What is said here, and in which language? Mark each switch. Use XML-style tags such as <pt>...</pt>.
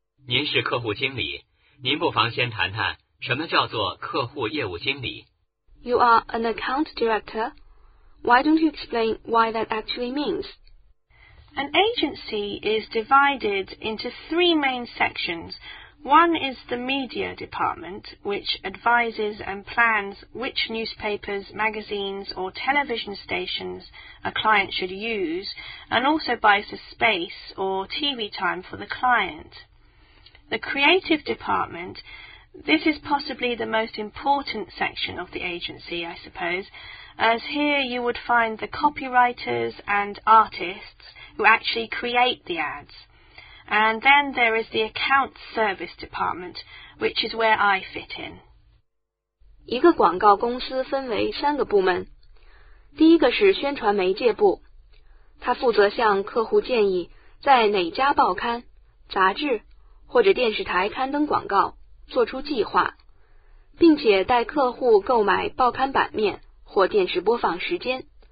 <zh>您是客户经理,您不妨先谈谈什么叫做客户业务经理?</zh> <en>You are an account director. Why don't you explain what that actually means? An agency is divided into 3 main sections. One is the media department, which advises and plans which newspapers, magazines, or television stations a client should use, and also buys the space or TV time for the client. The creative department, this is possibly the most important section of the agency, I suppose, as here you would find the copywriters and artists who actually create the ads. And then there is the account service department, which is where I fit in.</en> <zh>一个广告公司分为3个部门。第一个是宣传媒介部,它负责向客户建议在哪家报刊、杂志, 或者电视台刊登广告，做出计划，并且带客户购买报刊版面或电视播放时间。</zh>